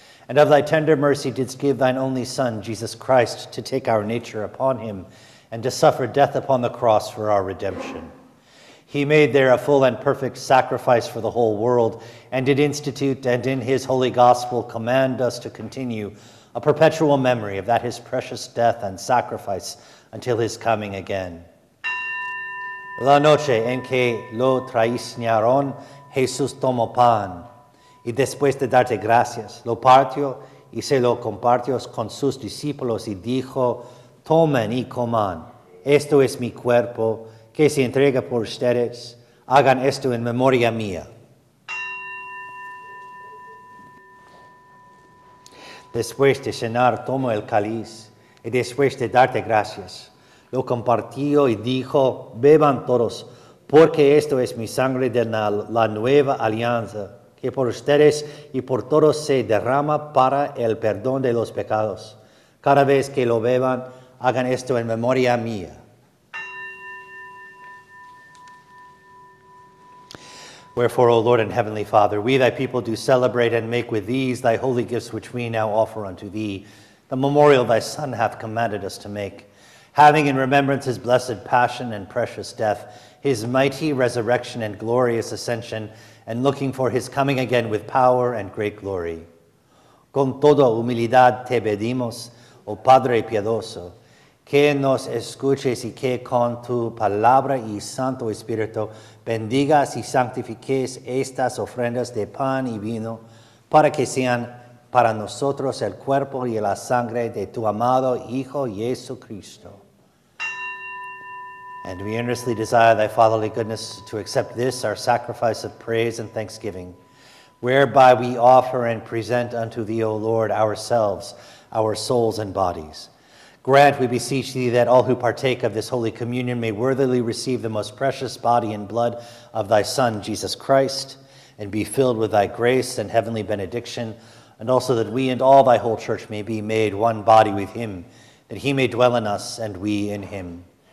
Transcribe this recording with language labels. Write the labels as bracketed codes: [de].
[en] And of thy tender mercy didst give thine only Son, Jesus Christ, to take our nature upon him and to suffer death upon the cross for our redemption. He made there a full and perfect sacrifice for the whole world and did institute and in his holy gospel command us to continue a perpetual memory of that his precious death and sacrifice until his coming again. [es] La noche en que lo traicionaron, Jesús tomó pan, y después de darte gracias, lo partió y se lo compartió con sus discípulos y dijo, tomen y coman, esto es mi cuerpo, que se entrega por ustedes, hagan esto en memoria mía. Después de cenar, tomó el cáliz, y después de darte gracias, lo compartió y dijo, beban todos, porque esto es mi sangre de la nueva alianza, que por ustedes y por todos se derrama para el perdón de los pecados. Cada vez que lo beban, hagan esto en memoria mía. [en] Wherefore, O Lord and Heavenly Father, we thy people do celebrate and make with these thy holy gifts which we now offer unto thee, the memorial thy Son hath commanded us to make. Having in remembrance his blessed passion and precious death, his mighty resurrection and glorious ascension, and looking for his coming again with power and great glory. [es] Con toda humildad te pedimos, oh Padre piadoso, que nos escuches y que con tu palabra y santo espíritu bendigas y santifiques estas ofrendas de pan y vino para que sean para nosotros el cuerpo y la sangre de tu amado Hijo Jesucristo. [en] And we earnestly desire thy fatherly goodness to accept this, our sacrifice of praise and thanksgiving, whereby we offer and present unto thee, O Lord, ourselves, our souls and bodies. Grant, we beseech thee, that all who partake of this holy communion may worthily receive the most precious body and blood of thy Son, Jesus Christ, and be filled with thy grace and heavenly benediction, and also that we and all thy whole church may be made one body with him, that he may dwell in us and we in him.